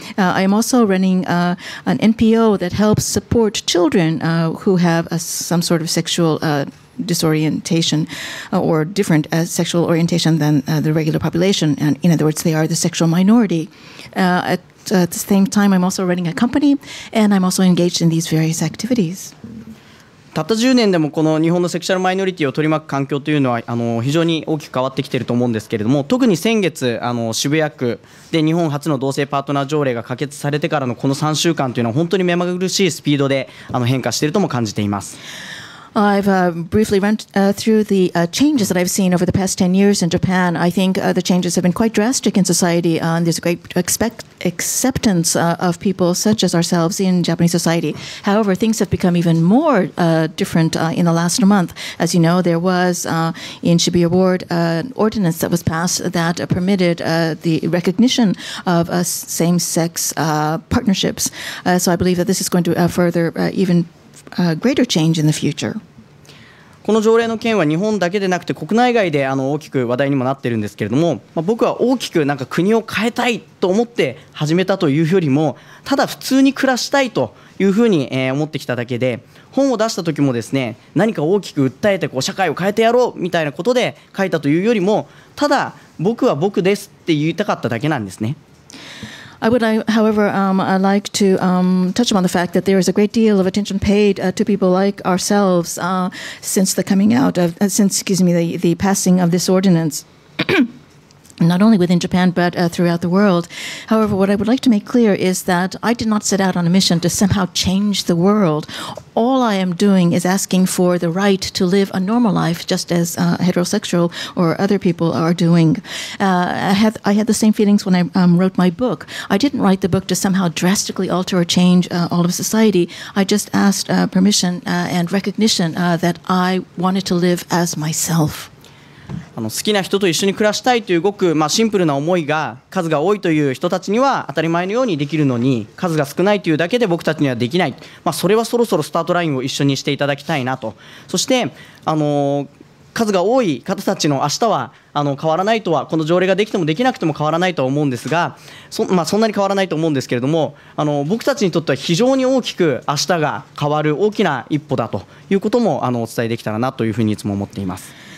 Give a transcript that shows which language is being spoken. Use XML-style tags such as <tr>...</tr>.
<en>I am also running an NPO that helps support children who have some sort of sexual disorientation or different sexual orientation than the regular population. And in other words, they are the sexual minority. At the same time, I'm also running a company, and I'm also engaged in these various activities.</en> <ja>たった10年でもこの日本のセクシャルマイノリティを取り巻く環境というのはあの非常に大きく変わってきていると思うんですけれども、特に先月あの渋谷区で日本初の同性パートナー条例が可決されてからのこの3週間というのは本当に目まぐるしいスピードであの変化しているとも感じています。</ja> <en>I've briefly run through the changes that I've seen over the past 10 years in Japan. I think the changes have been quite drastic in society, and there's a great acceptance of people such as ourselves in Japanese society. However, things have become even more different in the last month. As you know, there was in Shibuya Ward an ordinance that was passed that permitted the recognition of same-sex partnerships. So I believe that this is going to further even greater change in the future.</en> <ja>この条例の件は日本だけでなくて国内外で大きく話題にもなっているんですけれども、まあ、僕は大きくなんか国を変えたいと思って始めたというよりも、ただ普通に暮らしたいというふうに思ってきただけで、本を出した時もですね、何か大きく訴えてこう社会を変えてやろうみたいなことで書いたというよりも、ただ僕は僕ですって言いたかっただけなんですね。</ja> <en>I would, however, I'd like to touch on the fact that there is a great deal of attention paid to people like ourselves since the coming out of, the passing of this ordinance, not only within Japan, but throughout the world. However, what I would like to make clear is that I did not set out on a mission to somehow change the world. All I am doing is asking for the right to live a normal life, just as heterosexual or other people are doing. I had the same feelings when I wrote my book. I didn't write the book to somehow drastically alter or change all of society. I just asked permission and recognition that I wanted to live as myself.</en> <ja>好きな人と一緒に暮らしたいというごく、まあ、シンプルな思いが数が多いという人たちには当たり前のようにできるのに、数が少ないというだけで僕たちにはできない、まあ、それはそろそろスタートラインを一緒にしていただきたいなと。そして数が多い方たちの明日は変わらないとは、この条例ができてもできなくても変わらないとは思うんですが、 そんなに変わらないと思うんですけれども、僕たちにとっては非常に大きく明日が変わる大きな一歩だということもお伝えできたらなというふうにいつも思っています。</ja>